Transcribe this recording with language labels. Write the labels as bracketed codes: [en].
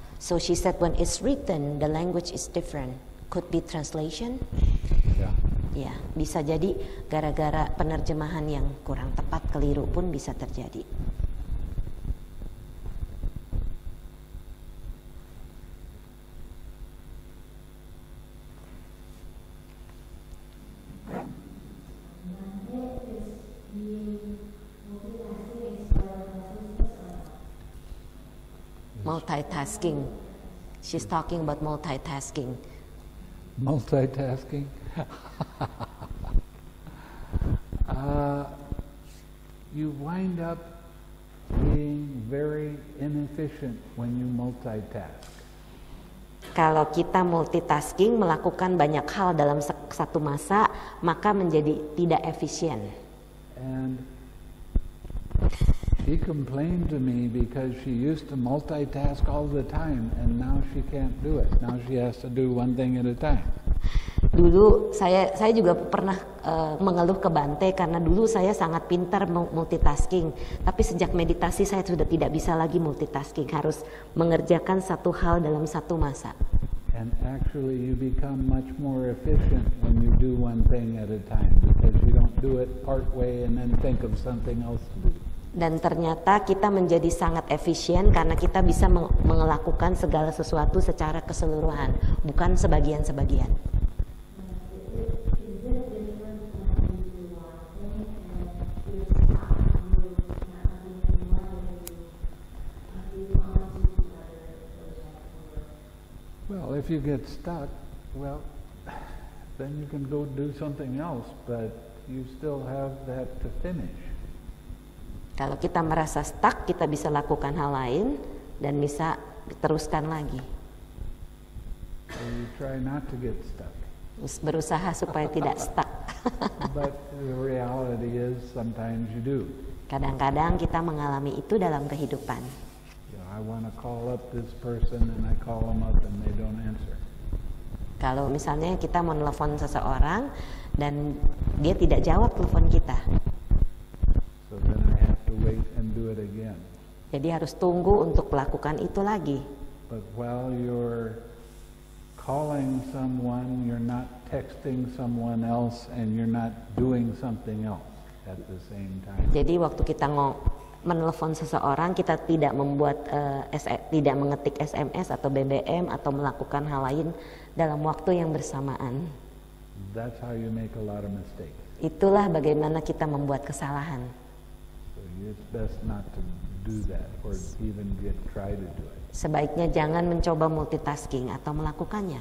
[en] So she said, when it's written, the language is different. Could be translation? Yeah, [id] bisa jadi gara-gara penerjemahan yang kurang tepat, keliru pun bisa terjadi. [en] Multitasking. She's talking about multitasking. Multitasking? you wind up being very inefficient when you multitask. [id] Kalau kita multitasking, melakukan banyak hal dalam satu masa, maka menjadi tidak efisien. [en] And she complained to me because she used to multitask all the time and now she can't do it. Now she has to do one thing at a time. [id] Dulu saya juga pernah mengeluh ke Bhante karena dulu saya sangat pintar multitasking. Tapi sejak meditasi saya sudah tidak bisa lagi multitasking, harus mengerjakan satu hal dalam satu masa. [en] And actually you become much more efficient when you do one thing at a time because you don't do it part way and then think of something else to do. [id] Dan ternyata kita menjadi sangat efisien karena kita bisa melakukan segala sesuatu secara keseluruhan, bukan sebagian-sebagian. [en] Well, if you get stuck, well, then you can go do something else, but you still have that to finish. [id] Kalau kita merasa stuck, kita bisa lakukan hal lain dan bisa teruskan lagi. [en] So you try not to get stuck. [id] Berusaha supaya tidak stuck. [en] But the reality is sometimes you do. [id] Kadang-kadang kita mengalami itu dalam kehidupan. [en] You know, I want to call up this person and I call them up and they don't answer. [id] Kalau misalnya kita menelpon seseorang dan dia tidak jawab telepon kita. [en] So then I have to wait and do it again. [id] Jadi harus tunggu untuk melakukan itu lagi. [en] But while you're calling someone, you're not texting someone else and you're not doing something else at the same time. [id] Jadi waktu kita menelpon seseorang, kita tidak membuat tidak mengetik SMS atau BBM atau melakukan hal lain dalam waktu yang bersamaan. [en] That's how you make a lot of mistakes. [id] Itulah bagaimana kita membuat kesalahan. [en] it's best not to do that or even get try to do it. [id] Sebaiknya jangan mencoba multitasking atau melakukannya.